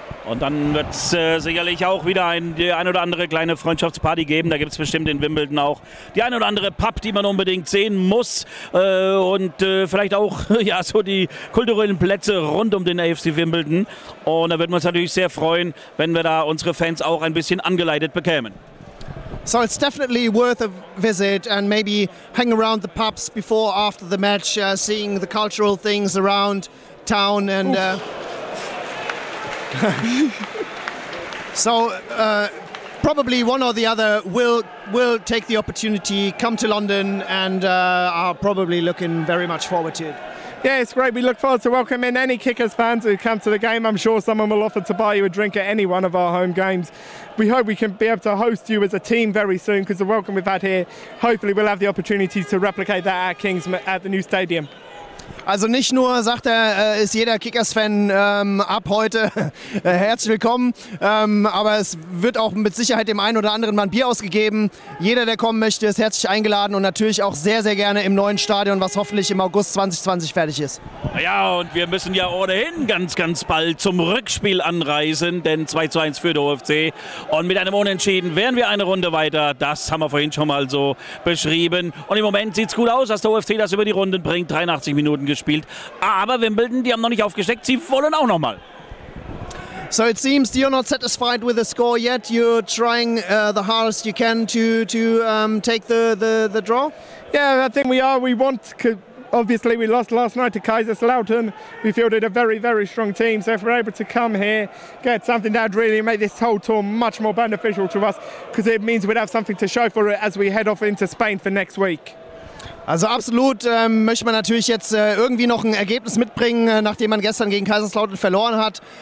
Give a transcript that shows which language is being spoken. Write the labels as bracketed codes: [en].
[de] Und dann wird es sicherlich auch wieder die ein oder andere kleine Freundschaftsparty geben. Da gibt es bestimmt in Wimbledon auch die ein oder andere Pub, die man unbedingt sehen muss. Vielleicht auch so die kulturellen Plätze rund um den AFC Wimbledon. Und da würden wir uns natürlich sehr freuen, wenn wir da unsere Fans auch ein bisschen angeleitet bekämen. [en] So it's definitely worth a visit and maybe hang around the pubs before, after the match, seeing the cultural things around town and... So probably one or the other will take the opportunity, come to London, and are probably looking very much forward to it. Yeah, it's great. We look forward to welcoming any Kickers fans who come to the game. I'm sure someone will offer to buy you a drink at any one of our home games. We hope we can be able to host you as a team very soon because the welcome we've had here, hopefully we'll have the opportunity to replicate that at Kings at the new stadium. [de] Also nicht nur, sagt er, ist jeder Kickers-Fan ab heute herzlich willkommen, aber es wird auch mit Sicherheit dem einen oder anderen mal ein Bier ausgegeben. Jeder, der kommen möchte, ist herzlich eingeladen und natürlich auch sehr, sehr gerne im neuen Stadion, was hoffentlich im August 2020 fertig ist. Ja, und wir müssen ja ohnehin ganz, ganz bald zum Rückspiel anreisen, denn 2:1 für der OFC. Und mit einem Unentschieden wären wir eine Runde weiter. Das haben wir vorhin schon mal so beschrieben. Und im Moment sieht es gut aus, dass der OFC das über die Runden bringt. 83 Minuten gespielt, aber Wimbledon, die haben noch nicht aufgesteckt, sie wollen auch nochmal. [en] So it seems you're not satisfied with the score yet, you're trying the hardest you can to take the draw? Yeah, I think we are, obviously we lost last night to Kaiserslautern, we fielded a very, very strong team, so if we're able to come here, get something that would really make this whole tour much more beneficial to us, because it means we'd have something to show for it as we head off into Spain for next week. [de] Also absolut möchte man natürlich jetzt irgendwie noch ein Ergebnis mitbringen, nachdem man gestern gegen Kaiserslautern verloren hat.